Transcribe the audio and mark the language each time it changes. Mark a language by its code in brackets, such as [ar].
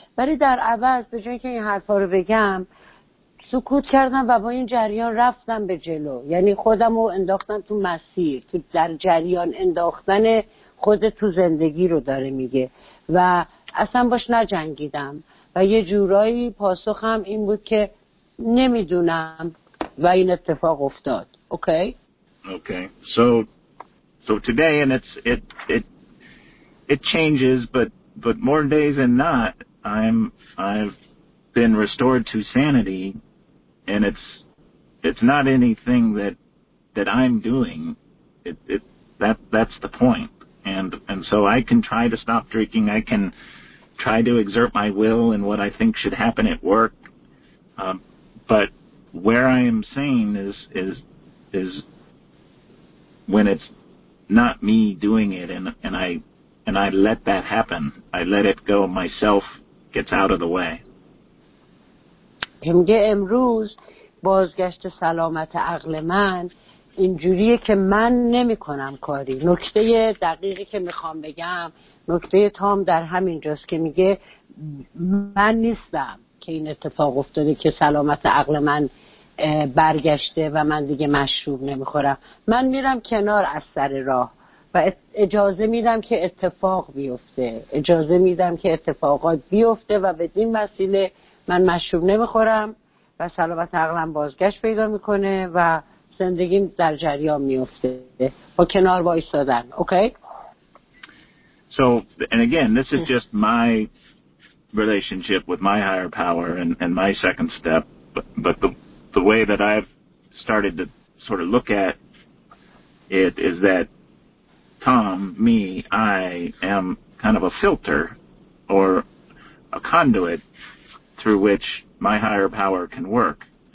[fa] ولی در عوض به جای اینکه این حرفا رو بگم سکوت کردم و با این جریان رفتم به جلو، یعنی خودم رو انداختم تو مسیر، تو در جریان انداختن خود تو زندگی رو داره میگه، و اصلا باش نجنگیدم و یه جورایی پاسخم این بود که نمیدونم و این اتفاق افتاد. [en] Okay? Okay. So today, and it changes, but more days than not, I've been restored to sanity, and it's not anything that I'm doing. That's the point. And so I can try to stop drinking. I can try to exert my will in what I think should happen at work, but where I am sane is when it's not me doing it, and I let that happen. I let it go. Myself gets out of the way. [fa] همگه امروز بازگشت سلامت عقل من اینجوریه که من نمی کنم کاری. نکته دقیقی که میخوام بگم، نکته تام در همین جاست که میگه من نیستم که این اتفاق افتاده که سلامت عقل من برگشته و من دیگه مشروب نمیخورم. من میرم کنار از سر راه و اجازه میدم که اتفاق بیفته، اجازه میدم که اتفاقات بیفته و بدین وسیله من مشروب نمیخورم و سلامت عقلم بازگشت پیدا میکنه و زندگیم در جریان میفته با کنار وایستادن. [en] Okay? So, and again, this is just my relationship with my higher power and my second step, but the way that I've started to sort of look at it is that Tom, me, I am kind of a filter or a conduit through which my higher power can work.